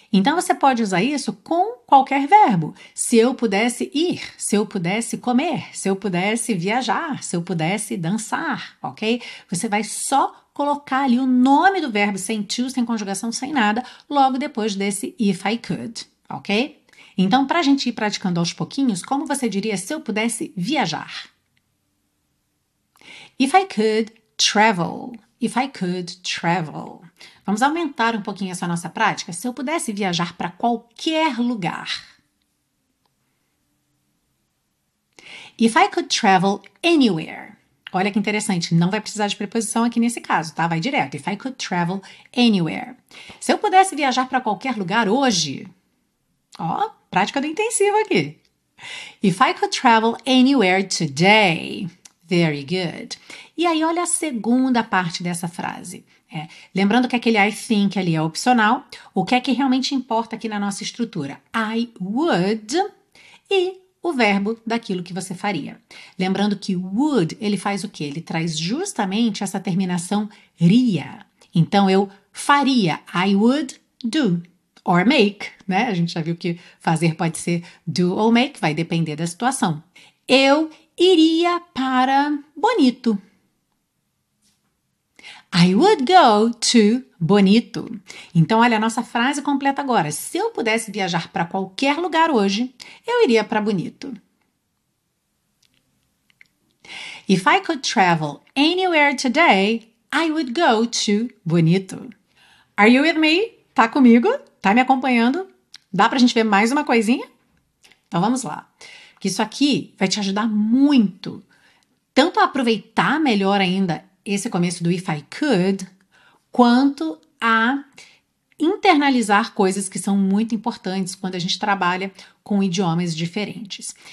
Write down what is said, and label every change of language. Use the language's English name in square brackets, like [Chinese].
[Portuguese] Então, você pode usar isso com qualquer verbo. Se eu pudesse ir, se eu pudesse comer, se eu pudesse viajar, se eu pudesse dançar, ok? Você vai só colocar ali o nome do verbo sem to, sem conjugação, sem nada, logo depois desse [English] if I could, [Portuguese] ok? Então, para a gente ir praticando aos pouquinhos, como você diria se eu pudesse viajar? [English] If I could travel, if I could travel. [Portuguese] Vamos aumentar um pouquinho essa nossa prática? Se eu pudesse viajar para qualquer lugar. [English] If I could travel anywhere. [Portuguese] Olha que interessante, não vai precisar de preposição aqui nesse caso, tá? Vai direto. [English] If I could travel anywhere. [Portuguese] Se eu pudesse viajar para qualquer lugar hoje. Ó, prática do intensivo aqui. [English] If I could travel anywhere today. Very good. [Portuguese] E aí, olha a segunda parte dessa frase. Lembrando que aquele I think ali é opcional. O que é que realmente importa aqui na nossa estrutura? I would e o verbo daquilo que você faria. Lembrando que would, ele faz o quê? Ele traz justamente essa terminação ria. Então, eu faria, [English] I would do, or make, [Portuguese] né? A gente já viu que fazer pode ser do ou make, vai depender da situação. Eu iria para Bonito. [English] I would go to Bonito. [Portuguese] Então, olha a nossa frase completa agora. Se eu pudesse viajar para qualquer lugar hoje, eu iria para Bonito. [English] If I could travel anywhere today, I would go to Bonito. Are you with me? [Portuguese] Tá comigo? Tá me acompanhando? Dá pra gente ver mais uma coisinha? Então, vamos lá. que isso aqui vai te ajudar muito, tanto a aproveitar melhor ainda esse começo do If I Could, quanto a internalizar coisas que são muito importantes quando a gente trabalha com idiomas diferentes.